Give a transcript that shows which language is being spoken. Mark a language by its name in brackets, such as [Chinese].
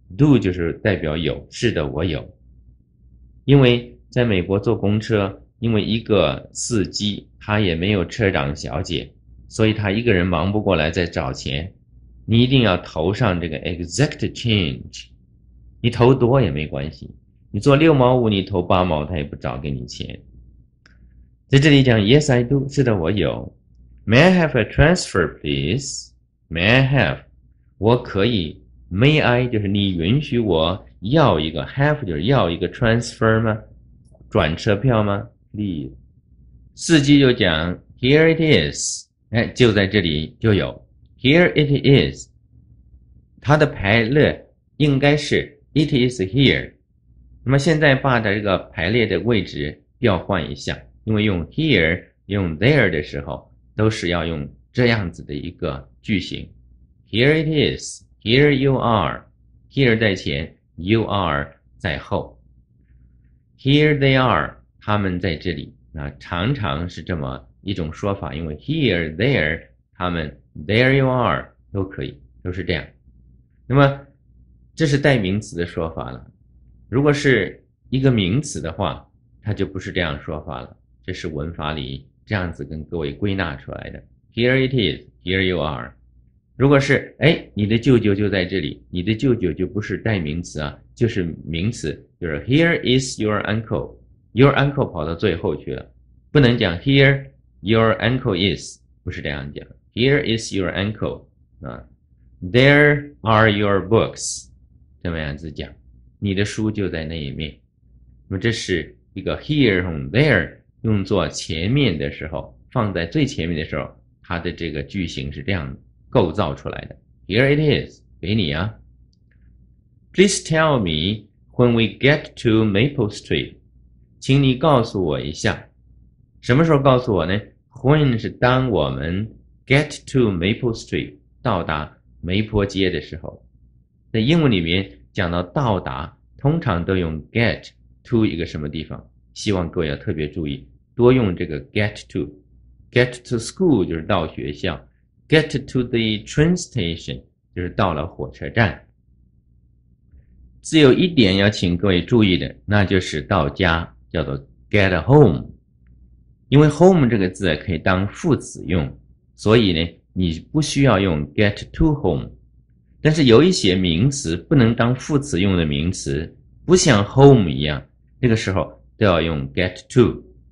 [Chinese] Do 就是代表有，是的，我有。因为在美国坐公车，因为一个司机他也没有车长小姐，所以他一个人忙不过来在找钱。你一定要投上这个 exact change， 你投多也没关系，你做六毛五，你投八毛他也不找给你钱。在这里讲 ， [English] Yes, I do. [Chinese] 是的，我有。 [English] May I have a transfer, please? May I have? [Chinese] 我可以。 May I 就是你允许我要一个 ，have 就是要一个 transfer 吗？转车票吗 ？Please. 司机就讲 ， [English] Here it is. [Chinese] 哎，就在这里就有。 [English] Here it is. [Chinese] 它的排列应该是 [English] It is here. [Chinese] 那么现在把它这个排列的位置调换一下。因为用 here 用 there 的时候都是要用这样子的一个句型 [English] here it is here you are [Chinese] here 在前 you are 在后 here they are 他们在这里啊，常常是这么一种说法，因为 here there 他们 there you are 都可以，都是这样。那么这是代名词的说法了，如果是一个名词的话它就不是这样说法了，这是文法里这样子跟各位归纳出来的。 [English] Here it is, here you are。 [Chinese] 如果是哎，你的舅舅就在这里，你的舅舅就不是代名词啊，就是名词，就是 [English] Here is your uncle。 [Chinese] Your uncle 跑到最后去了，不能讲 [English] Here your uncle is， [Chinese] 不是这样讲。 [English] Here is your uncle 啊。There are your books。 [Chinese] 这么样子讲，你的书就在那一面。那么这是一个 here and there 用作前面的时候，放在最前面的时候，它的这个句型是这样构造出来的。 [English] Here it is， [Chinese] 给你啊。 [English] Please tell me when we get to Maple Street， [Chinese] 请你告诉我一下，什么时候告诉我呢 ？When 是当我们 get to Maple Street 到达梅坡街的时候。在英文里面讲到到达，通常都用 get to 一个什么地方，希望各位要特别注意，多用这个 get to。 [English] get to school [Chinese] 就是到学校， [English] get to the train station [Chinese] 就是到了火车站。只有一点要请各位注意的，那就是到家叫做 [English] get home， [Chinese] 因为 home 这个字可以当副词用，所以呢你不需要用 [English] get to home。 [Chinese] 但是有一些名词不能当副词用的名词，不像 home 一样，那个时候都要用 get to。